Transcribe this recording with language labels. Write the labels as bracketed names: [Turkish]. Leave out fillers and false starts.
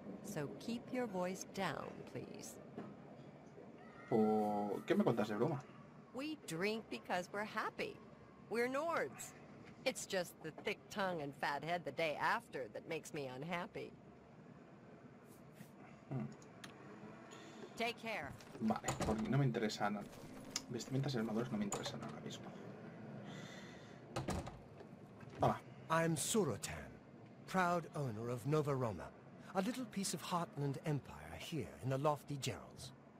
[English] So keep your voice down, please. [Spanish] ¿Qué me cuentas de broma? [English] We drink because we're happy. We're Nords. It's just the thick tongue and fat head the day after that makes me unhappy. Take care. [Spanish] Vale, porque no me interesan vestimentas y armaduras, no me interesan ahora mismo. Hola. [English] I'm Surotan, proud owner of Nova Roma, a little piece of Heartland Empire here in the lofty Geralds.